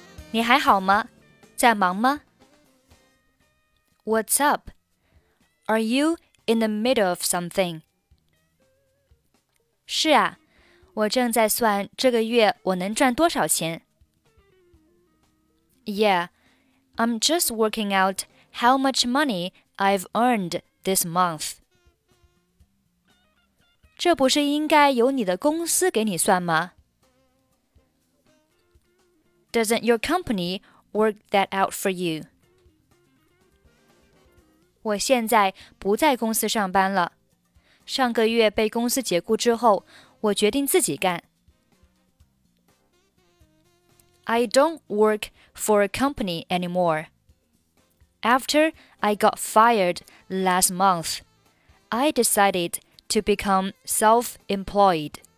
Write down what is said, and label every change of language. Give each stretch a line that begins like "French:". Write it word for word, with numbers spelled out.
Chinese: 你还好吗？在忙吗？
English: What's up? Are you in the middle of something?
Chinese: 是啊，我正在算这个月我能赚多少钱。
English: Yeah, I'm just working out how much money I've earned this month.
Chinese: 这不是应该由你的公司给你算吗？
English: Doesn't your company work that out for you?
Chinese: 我现在不在公司上班了。上个月被公司解雇之后，我决定自己干。
English: I don't work for a company anymore. After I got fired last month, I decided to become self-employed.